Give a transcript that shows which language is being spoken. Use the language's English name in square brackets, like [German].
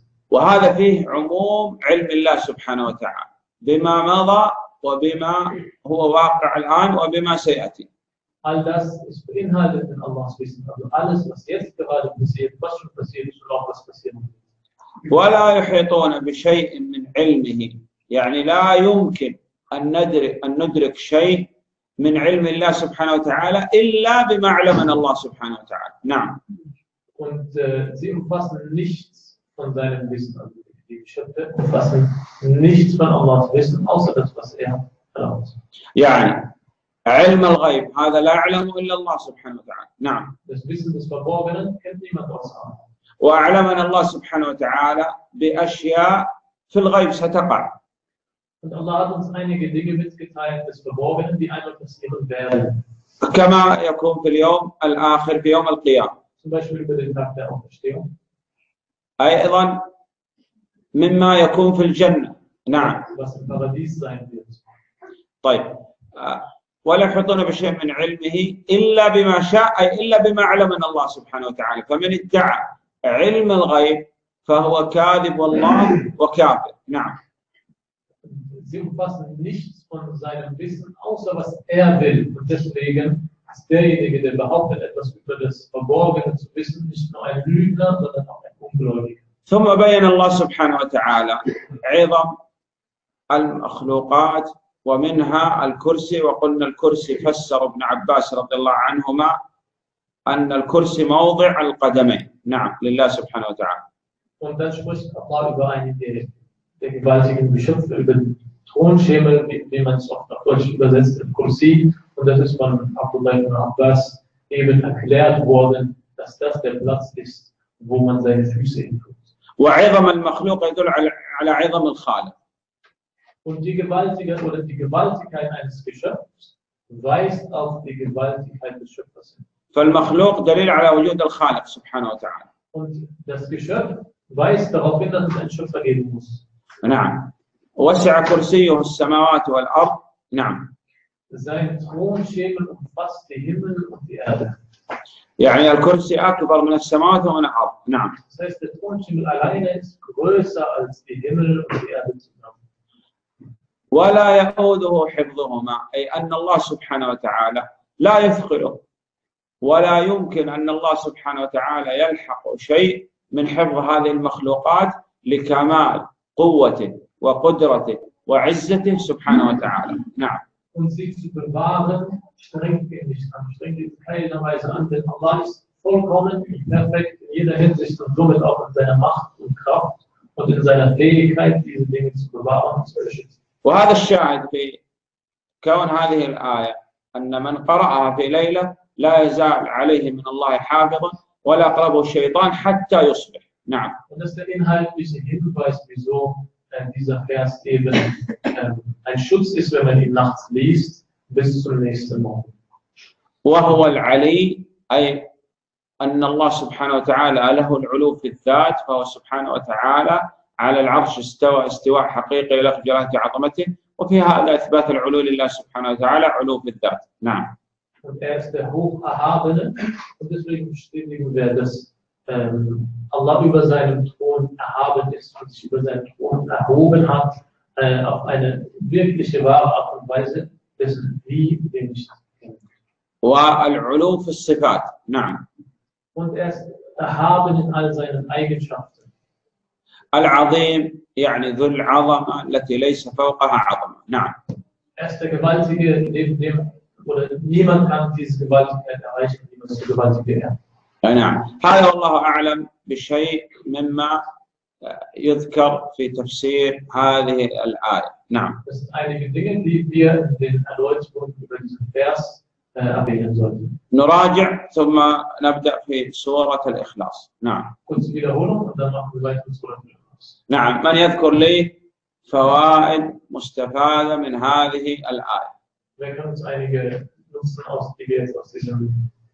[Arabic] وهذا فيه عموم علم الله سبحانه وتعالى بما مضى وبما هو واقع الآن وبما سيأتي. [German] All das ist beinhaltet in Allahs Wissen. Also alles, was jetzt gerade passiert, was schon passiert ist und auch was passieren wird. [Arabic] ولا يحيطون بشيء من علمه. يعني لا يمكن أن ندرك شيء من علم الله سبحانه وتعالى إلا بما علمنا الله سبحانه وتعالى. نعم. [German] Und sie umfassen nichts von seinem Wissen, also die Geschöpfe umfassen nichts von Allahs Wissen, außer das, was er erlaubt. [Arabic] يعني علم الغيب هذا لا أعلم إلا الله سبحانه وتعالى. نعم. [German] Das Wissen des Verborgenen kennt niemand außer Allah. [Arabic] وأعلمنا الله سبحانه وتعالى بأشياء في الغيب ستقع. [German] Und Allah hat uns einige Dinge mitgeteilt, des Verborgenen, die einmal passieren werden. [Arabic] كما يكون في اليوم الآخر في يوم القيامة. [German] Zum Beispiel über den Tag der Auferstehung. [Arabic] أيضا مما يكون في الجنة. نعم. [German] Was im Paradies sein wird. [Arabic] طيب. ولا يحطون بشيء من علمه إلا بما شاء أي إلا بما علمنا الله سبحانه وتعالى. فمن ادعى علم الغيب فهو كاذب والله وكافر. نعم. [German] Sie umfassen nichts von seinem Wissen, außer was er will. Und deswegen ist derjenige, der behauptet, etwas über das Verborgene zu wissen, nicht nur ein Lügner, sondern auch ein Ungläubiger. [Arabic] ثم بين الله سبحانه وتعالى عظم المخلوقات ومنها الكرسي وقلنا الكرسي فسر ابن عباس رضي الله عنهما أن الكرسي موضع القدمين. نعم لله سبحانه وتعالى. [German] Und dann spricht Allah über eine der gewaltigen Geschöpfe, über Thronschemel, wie man es oft auf Deutsch übersetzt, im Kursi. Und das ist von Abdullah ibn Abbas eben erklärt worden, dass das der Platz ist, wo man seine Füße hinkommt. Und die Gewaltige oder die Gewaltigkeit eines Geschöpfs weist auf die Gewaltigkeit des Schöpfers hin. [Arabic] فالمخلوق دليل على وجود الخالق سبحانه وتعالى. [German] Und das Geschöpf weist darauf hin, dass es einen Schöpfer geben muss. [Arabic] نعم. وسع كرسيه السماوات والأرض. نعم. [German] Sein Thronschemel umfasst den Himmel und die Erde. [Arabic] يعني الكرسي أكبر من السماوات ومن الأرض. نعم. [German] Das heißt, der Thronschemel alleine ist größer als die Himmel und die Erde zusammen. [Arabic] ولا يؤوده حفظهما أي أن الله سبحانه وتعالى لا يثقله ولا يمكن أن الله سبحانه وتعالى يلحق شيء من حفظ هذه المخلوقات لكمال قوته وقدرته وعزته سبحانه وتعالى. نعم. [German] Und sie zu bewahren, strengt ihn nicht an, strengt ihn in keiner Weise an, denn Allah ist vollkommen und perfekt in jeder Hinsicht und somit auch in seiner Macht und Kraft und in seiner Fähigkeit, diese Dinge zu bewahren und zu erschützen. [Arabic] وهذا الشاهد في كون هذه الآية أن من قرأها في ليلة لا يزال عليه من الله حافظا ولا يقربه الشيطان حتى يصبح. نعم. [German] Und das beinhaltet diesen Hinweis, wieso dieser Vers eben ein Schutz ist, wenn man ihn nachts liest, bis zum nächsten Morgen. [Arabic] وهو العلي أي أن الله سبحانه وتعالى له العلو في الذات فهو سبحانه وتعالى على العرش استوى استواء حقيقي لله جلاله عظمته وفي هذا إثبات العلو لله سبحانه وتعالى علو في الذات. نعم. [German] Und er ist der Hocherhabene und deswegen bestätigen wir, dass Allah über seinem Thron erhaben ist und sich über seinen Thron erhoben hat, auf eine wirkliche, wahre Art und Weise, dessen wie wir nicht kennen. Und er ist erhaben in all seinen Eigenschaften. [Arabic] العظيم يعني ذو العظمة التي ليس فوقها عظمة. نعم. [German] Er ist der Gewaltige neben dem oder niemand kann diese Gewaltigkeit erreichen, die man so gewaltig. Das sind einige Dinge, die wir in den Erläuterungen über diesen Vers erwähnen sollten. [Arabic] نراجع ثم نبدأ في سورة الإخلاص. نعم. [German] Kurze Wiederholung und dann machen wir weiter mit Sura al-Ikhlas. [Arabic] نعم. من يذكر لي فوائد مستفادة من هذه الآية. [German] Wir können uns einige Nutzen aus, die wir jetzt aus diesem